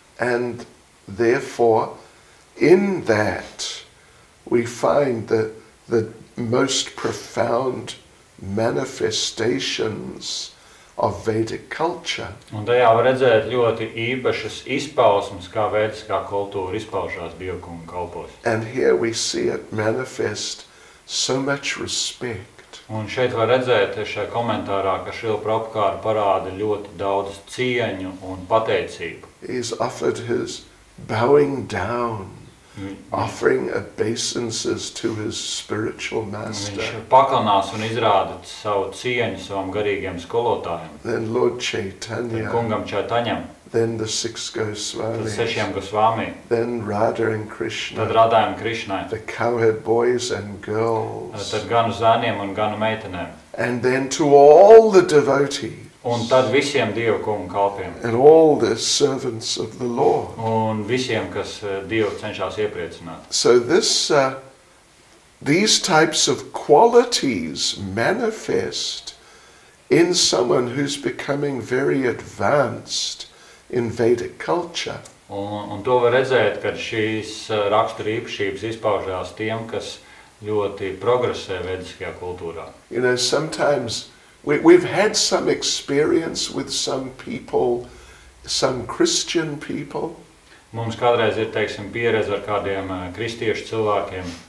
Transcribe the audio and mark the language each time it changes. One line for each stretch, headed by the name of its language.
English: And therefore, in that, we find the most profound manifestations of Vedic culture.
Latvian: Un tajā var redzēt ļoti īpašas izpausmes, kā vediskā kultūra izpaušās dievkunga kalpos.
English: And here we see it manifest so much respect.
Latvian: Un šeit var redzēt šajā komentārā, ka Šrila Prabhupāda parāda ļoti daudz cieņu un pateicību.
English: He has offered his bowing down, offering obeisances to his spiritual master.
Latvian: Viņš pakalnās un izrāda savu cieņu savam garīgiem skolotājiem.
English: Then Lord Chaitanya.
Latvian: Tad kungam Chaitanyam.
English: Then the six Goswamis.
Latvian: Tad sešiem Goswami.
English: Then Radha and Krishna.
Latvian: Tad Radha un Krishna.
English: The cowherd boys and girls.
Latvian: Tad ganu zāniem un ganu meitenēm.
English: And then to all the devotees.
Latvian: Un tad visiem Dieva kungu kalpiem.
English: And all the servants of the Lord.
Latvian: Un visiem, kas Dievu cenšās iepriecināt.
English: So these types of qualities manifest in someone who's becoming very advanced in Vedic culture.
Latvian: Un to var redzēt, ka šīs rakstura īpašības izpaužās tiem, kas ļoti progresē vediskajā kultūrā.
English: You know, sometimes we've had some experience with some people, some Christian people.
Latvian: Mums kādreiz ir, teiksim, pieredze ar kādiem kristiešu cilvēkiem.